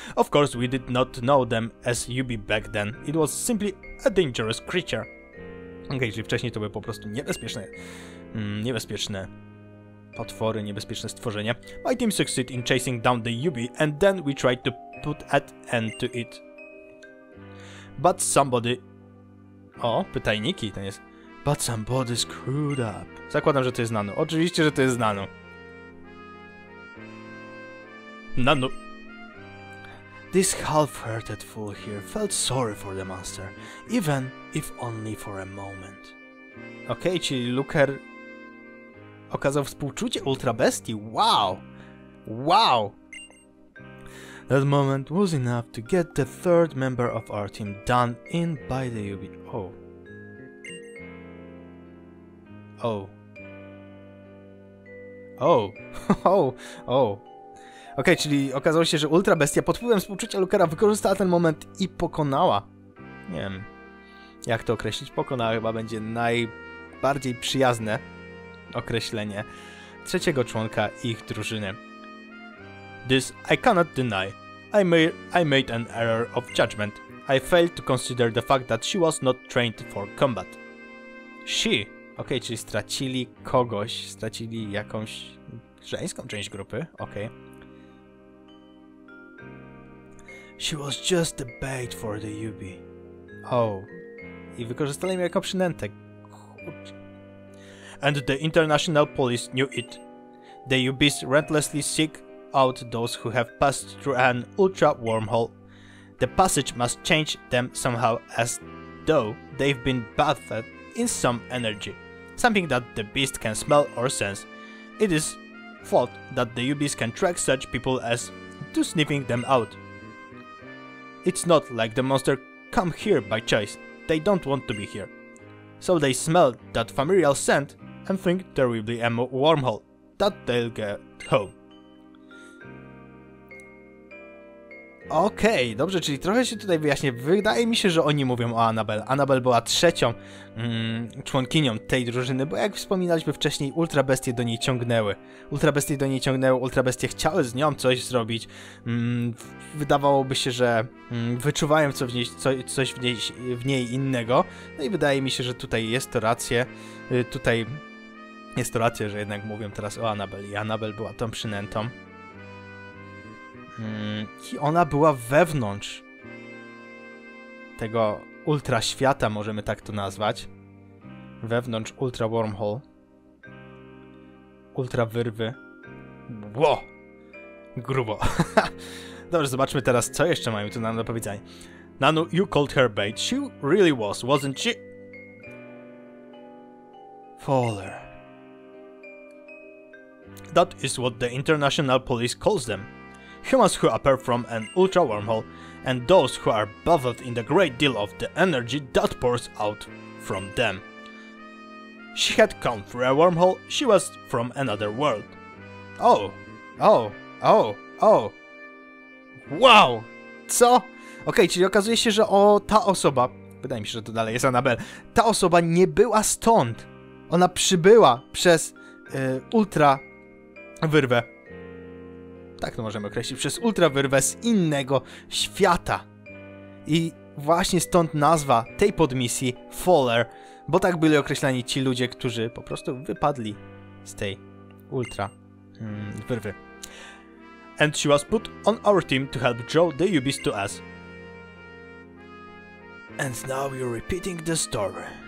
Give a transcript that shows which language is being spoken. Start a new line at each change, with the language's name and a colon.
English: Of course, we did not know them as UB back then. It was simply a dangerous creature.
Polish: Okej, czyli wcześniej to były po prostu niebezpieczne potwory, niebezpieczne stworzenie.
English: My team succeeded in chasing down the UB and then we tried to put an end to it. But somebody...
Polish: O, pytajniki ten jest.
English: But somebody screwed up.
Polish: Zakładam, że to jest Nanu. Oczywiście, że to jest Nanu. Nanu.
English: This half-hearted fool here felt sorry for the monster, even if only for a moment.
Polish: Okej, czyli Luker okazał współczucie Ultrabestii. Wow! Wow!
English: That moment was enough to get the third member of our team done in by the UB. Oh. Oh. Oh. Oh. Oh.
Polish: Okej, czyli okazało się, że Ultrabestia pod wpływem współczucia Lukera wykorzystała ten moment i pokonała. Nie wiem, jak to określić. Pokonała chyba będzie najbardziej przyjazne określenie trzeciego członka ich drużyny.
English: This I cannot deny. I made an error of judgment. I failed to consider the fact that she was not trained for combat. She.
Polish: Okej, czyli stracili kogoś, stracili jakąś żeńską część grupy. Okej.
English: She was just the bait for the UB. Oh.
Polish: I wykorzystali mnie jako przynętę. Kurczę.
English: And the international police knew it. The UBs relentlessly seek out those who have passed through an ultra wormhole. The passage must change them somehow, as though they've been bathed in some energy. Something that the beast can smell or sense. It is thought that the UBs can track such people as to sniffing them out. It's not like the monster come here by choice. They don't want to be here. So they smell that familiar scent and think there will be a wormhole that they'll get home.
Polish: Okej, okay, dobrze, czyli trochę się tutaj wyjaśnię. Wydaje mi się, że oni mówią o Annabelle. Annabelle była trzecią członkinią tej drużyny, bo jak wspominaliśmy wcześniej, Ultrabestie do niej ciągnęły. Ultrabestie chciały z nią coś zrobić. Wydawałoby się, że wyczuwają coś w niej innego. No i wydaje mi się, że tutaj jest to rację. Tutaj jest to rację, że jednak mówią teraz o Annabelle. I Annabelle była tą przynętą. I ona była wewnątrz tego ultraświata, możemy tak to nazwać. Wewnątrz ultra wormhole. Ultra wyrwy. Ło! Grubo. Dobrze, zobaczmy teraz, co jeszcze mają tu nam do powiedzenia.
English: Nanu, you called her bait. She really was, wasn't she? Faller. That is what the international police calls them. Humans who appear from an ultra wormhole, and those who are bathed in the great deal of the energy that pours out from them. She had come through a wormhole, she was from another world. Oh, oh, oh, oh. Wow! Co?
Polish: Okej, czyli okazuje się, że ta osoba, wydaje mi się, że to dalej jest Annabelle, ta osoba nie była stąd. Ona przybyła przez ultra wyrwę. Tak to możemy określić, przez ultrawyrwę z innego świata. I właśnie stąd nazwa tej podmisji Faller, bo tak byli określani ci ludzie, którzy po prostu wypadli z tej ultrawyrwy.
English: And she was put on our team to help draw the UBs to us. And now you're repeating the story.